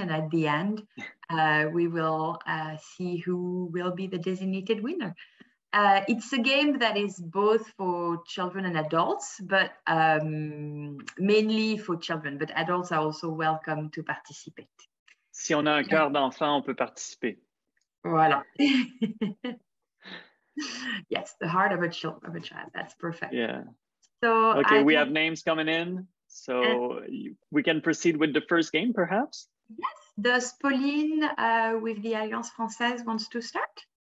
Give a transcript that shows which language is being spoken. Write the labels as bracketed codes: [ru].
[en] And at the end, we will see who will be the designated winner. It's a game that is both for children and adults, but mainly for children, but adults are also welcome to participate. [fr] Si on a un cœur d'enfant, on peut participer. Voilà. [en] Yes, the heart of a child, that's perfect. Yeah. So we have names coming in, so we can proceed with the first game, perhaps? Yes, does Pauline with the Alliance Française wants to start?